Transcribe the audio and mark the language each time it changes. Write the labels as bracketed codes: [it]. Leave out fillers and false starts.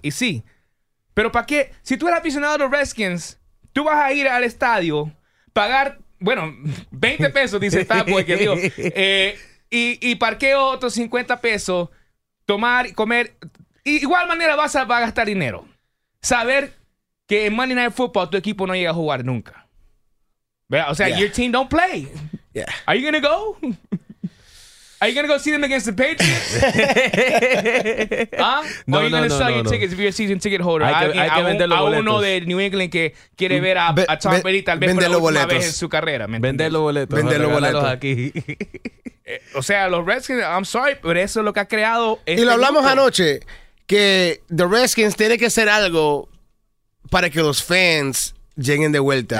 [es] Y sí, pero ¿para qué? Si tú eres aficionado a los Redskins, tú vas a ir al estadio, pagar, bueno, 20 pesos, dice Fatboy, que dijo, y parqueo otros 50 pesos, tomar, comer. Y igual manera vas a gastar dinero. Saber que en Monday Night Football tu equipo no llega a jugar nunca. ¿Verdad? O sea, [en] yeah. Your team don't play. Yeah. Are you going to go? Are you going to go see them against the Patriots? ¿Ah? [es] No, [en] are you going to sell your no. tickets if you're a season ticket holder? [es] Hay que vender los boletos. A uno de New England que quiere ver a Tom Brady tal vez por la última vez en su carrera. Vender los boletos. Vender los boletos. Aquí. O sea, los Redskins, [en] I'm sorry, [es] pero eso es lo que ha creado. Y lo hablamos anoche, que the Redskins tiene que hacer algo para que los fans lleguen de vuelta.